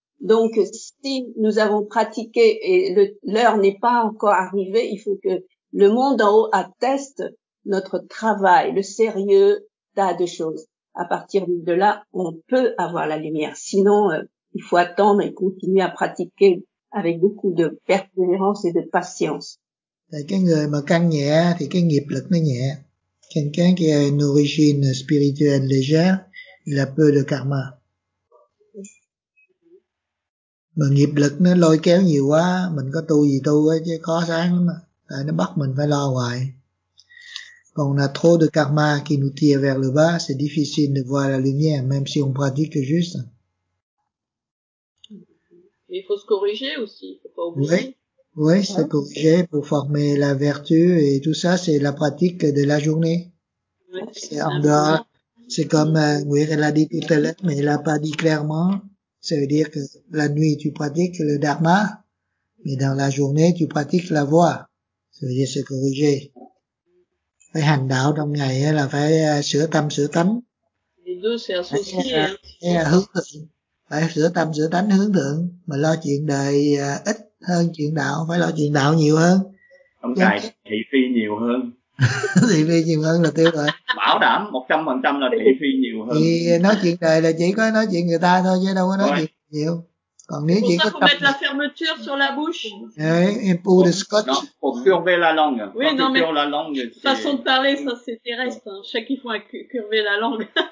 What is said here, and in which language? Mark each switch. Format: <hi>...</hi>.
<fr>Donc, si nous avons pratiqué et l'heure n'est pas encore arrivée, il faut que le monde en haut atteste notre travail, le sérieux, tas de choses. À partir de là, on peut avoir la lumière. Sinon, il faut attendre et continuer à pratiquer avec beaucoup de persévérance et de patience.</fr> <vi>Tại cái người mà căng nhẹ thì cái nghiệp lực nó nhẹ.</vi> <fr>Quelqu'un qui a une origine spirituelle légère, il a peu de karma.</fr> <vi>Mà nghiệp lực nó lôi kéo nhiều quá, mình có tu gì tu ấy, chứ khó sáng lắm. Tại nó bắt mình phải lo hoài. Còn là</vi> <fr>trop de karma qui nous tire vers le bas, c'est difficile de voir la lumière, même si on pratique juste. Il faut se corriger aussi, il ne faut pas oublier. Oui, se corriger pour former la vertu et tout ça, c'est la pratique de la journée. Oui, c'est en dehors. C'est comme Nguyễn l'a dit tout à l'heure, mais il ne l'a pas dit clairement. Ça veut dire que la nuit, tu pratiques le dharma, mais dans la journée, tu pratiques la voix. Ça veut dire se corriger.</fr> <vi>Phải hành đạo trong ngày là phải sửa tâm, sửa tánh.</vi> <fr>Les deux, c'est associé.</fr> <vi>Phải sửa tâm, sửa tánh, hướng thượng. Mà lo chuyện đời ít hơn chuyện đạo, phải lo chuyện đạo nhiều hơn. Trong ngày, thị phi nhiều hơn. Thị phi nhiều hơn là tiêu rồi. Bảo đảm 100% là thị phi nhiều hơn. Thì nói chuyện đời là chỉ có nói chuyện người ta thôi, chứ đâu có nói chuyện nhiều. Còn nếu chỉ có tập...</vi> <fr>la fermeture sur la bouche. Et pour le scotch. Pour curver la langue. Oui, non, mais la langue, c'est... façon de parler, ça c'est terrestre. Chaque fois qu'il faut curver la langue.</fr>